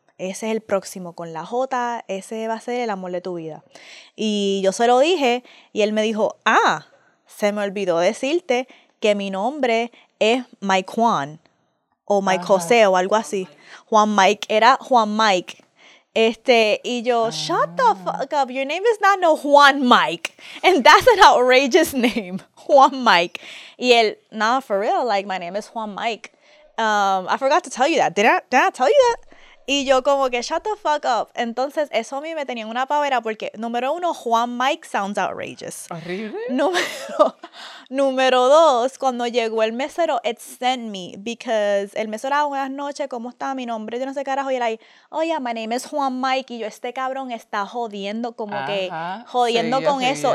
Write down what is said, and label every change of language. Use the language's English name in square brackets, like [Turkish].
[Spanish] Ese es el próximo, con la J. Ese va a ser el amor de tu vida. Y yo se lo dije y él me dijo, ah, se me olvidó decirte que mi nombre es Mike Juan, o Mike José, o algo así. Juan Mike, era Juan Mike. Y yo, [English] shut the fuck up, your name is not no Juan Mike. And that's an outrageous name, Juan Mike. [Spanish] Y él, [English] nah, for real, like, my name is Juan Mike. I forgot to tell you that, did I tell you that? [Spanish] Y yo como que, [English] shut the fuck up. [Spanish] Entonces, eso a mí me tenía una pavera porque, número uno, Juan Mike [English] sounds outrageous. [Spanish] ¿Horrible? Número dos, cuando llegó el mesero, [English] it sent me. [Spanish] Because el mesero, buenas noches, ¿cómo está? Mi nombre, yo no sé qué carajo. Y era ahí, [English] oh yeah, my name is Juan Mike. [Spanish] Y yo, este cabrón está jodiendo, como ajá, que, jodiendo sí, con sí, eso.